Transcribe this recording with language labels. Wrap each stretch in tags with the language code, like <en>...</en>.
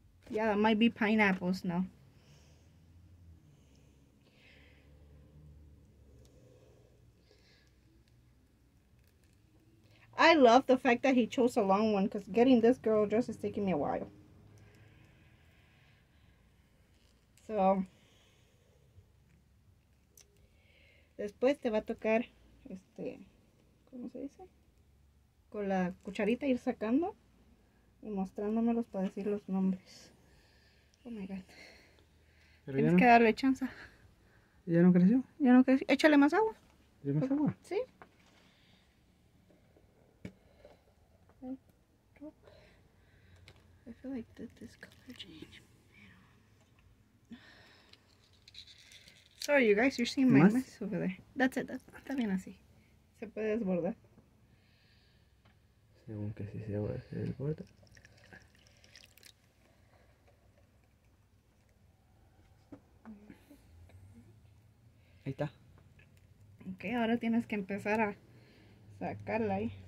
<en>Yeah, that might be pineapples, no? I love the fact that he chose a long one, because getting this girl dress is taking me a while.</en> <es>So, después te va a tocar, ¿cómo se dice? Con la cucharita ir sacando y mostrándomelos para decir los nombres.</es> <en>Oh my god.</en> <es>Pero tienes que darle chance. ¿Ya no creció? Ya no creció. Échale más agua. ¿Y más agua? Sí.</es> <en>I feel like that this color changed. Sorry, you guys, you're seeing my mess over there. That's it,</en> <es>está bien así. Se puede desbordar. Según que sí se va a hacer el borde. Ahí está. Ok, ahora tienes que empezar a sacarla ahí.</es>